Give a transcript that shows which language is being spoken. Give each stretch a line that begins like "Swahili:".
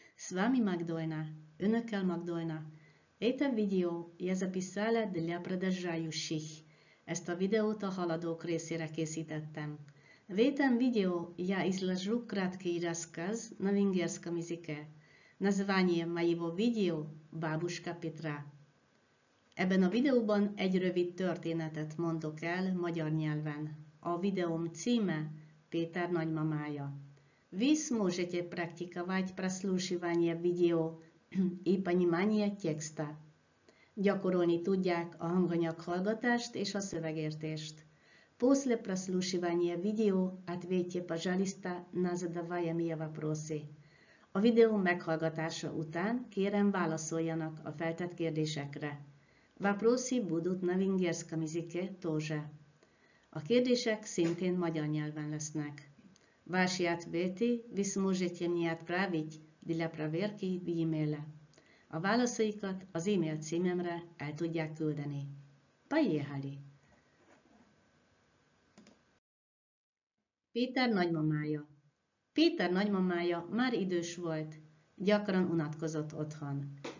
Russian: С вами Magdolna,
Hungarian: Önökkel Magdolna.
Russian: Это видео я записала для продолжающих.
Hungarian: Ezt a videót a haladók részére készítettem.
Russian: В этом видео я изложу краткий рассказ на венгерском языке. Название моего видео – Бабушка Петра.
Hungarian: Ebben a videóban egy rövid történetet mondok el magyar nyelven. A videóm címe – Péter nagymamája.
Russian: Вы сможете практиковать прослушивание видео и понимание текста.
Hungarian: Gyakorolni tudják a hanganyag hallgatást és a szövegértést.
Russian: После прослушивания видео ответьте, пожалуйста, на задаваемые вопросы.
Hungarian: A videó meghallgatása után kérem válaszoljanak a feltett kérdésekre.
Russian: Вопросы будут на венгерском языке тоже.
Hungarian: A kérdések szintén magyar nyelven lesznek.
Russian: Ваши ответы вы сможете мне отправить для проверки в e-mail.
Hungarian: A válaszaikat az e-mail címemre el tudják küldeni.
Russian: Поехали!
Hungarian: Péter nagymamája. Péter nagymamája már idős volt, gyakran unatkozott otthon.